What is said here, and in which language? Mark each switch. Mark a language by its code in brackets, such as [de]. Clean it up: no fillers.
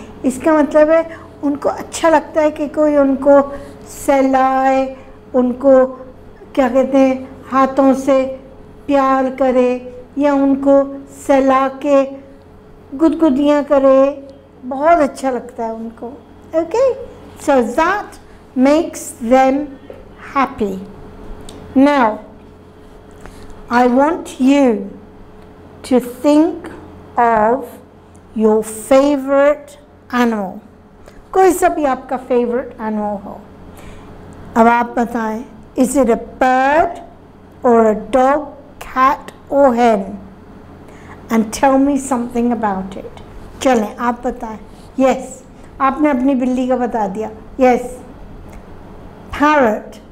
[hi] इसका मतलब है उनको अच्छा लगता है कि कोई उनको सहलाए, उनको क्या कहते हैं हाथों से प्यार करे या उनको सहला के गुदगुदियां करे. बहुत अच्छा लगता है उनको. [en] Okay, so that makes them happy. Now, I want you to think of your favorite animal. [hi] कोई सा भी आपका favorite animal हो. अब आप बताएं, [en] is it a bird or a dog, cat or hen? And tell me something about it. [hi] चलें, आप बताएं. Yes, आपने अपनी बिल्ली का बता दिया. Yes, parrot.